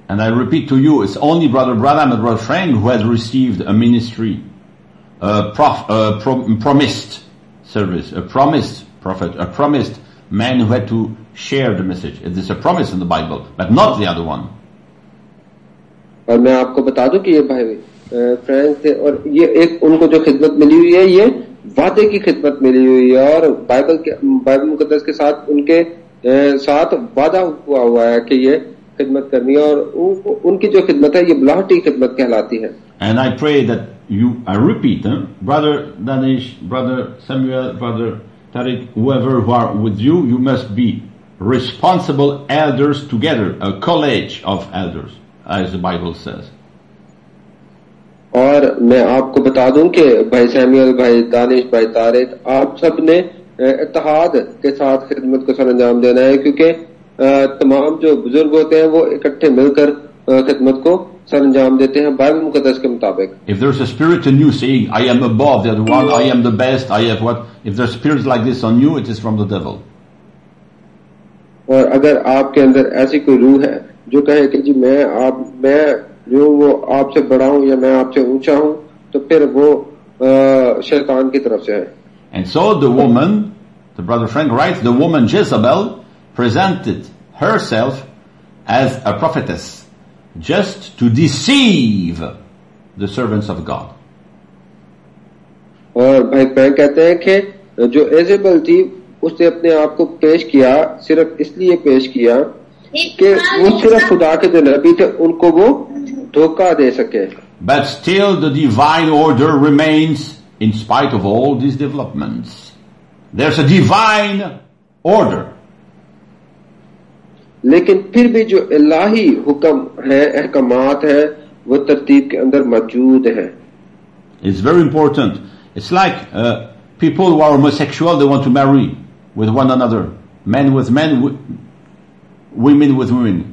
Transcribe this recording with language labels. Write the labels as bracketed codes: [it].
[en] And I repeat to you, it's only Brother Branham and Brother Frank who has received a ministry, promised service, a promised man who had to share the message. It is a promise in the Bible, but not the other one. [hi] और मैं आपको बता दूं कि ये भाई friends थे और ये एक उनको जो खिदमत मिली हुई है ये वादे की खिदमत मिली हुई है और बाइबल मुकद्दस के साथ उनके साथ वादा हुआ है कि ये खिदमत करनी है और उनकी जो खिदमत है ये ब्लाहटी खिदमत कहलाती है. [en] And I pray that I repeat, Brother Danish, Brother Samuel, Brother Tariq, whoever who are with you, you must be responsible elders together, a college of elders, as the Bible says. [hi] और मैं आपको बता दूं कि भाई Samuel, भाई दानिश, भाई तारिक, आप सब ने इत्तेहाद के साथ खिदमत को सरंजाम देना है क्योंकि तमाम जो बुजुर्ग होते हैं वो इकट्ठे मिलकर खिदमत को सरंजाम देते हैं बाइबल मुकद्दस के मुताबिक. [en] If there's a spirit in you saying, I am above the other one, I am the best, I have what? If there's spirits like this on you, it is from the devil. [hi] और अगर आपके अंदर ऐसी कोई रूह है जो कहे कि जी मैं जो वो आपसे बड़ा हूँ या मैं आपसे ऊंचा हूँ तो फिर वो शैतान की तरफ से है. [en] And so the woman, the brother Frank writes, the woman Jezebel presented herself as a prophetess. Just to deceive the servants of God. [hi] और भाई पैंग कहते हैं कि जो एजेबल थी उसने अपने आप को पेश किया सिर्फ इसलिए पेश किया कि वो सिर्फ खुदा के जो नबी थे उनको वो धोखा दे सके. [en] But still the divine order remains in spite of all these developments. There's a divine order. [hi] लेकिन फिर भी जो इलाही हुक्म है अहकामात है वो तरतीब के अंदर मौजूद है. [en] It's very important. It's like people who are homosexual they want to marry with one another, man with man, women with women.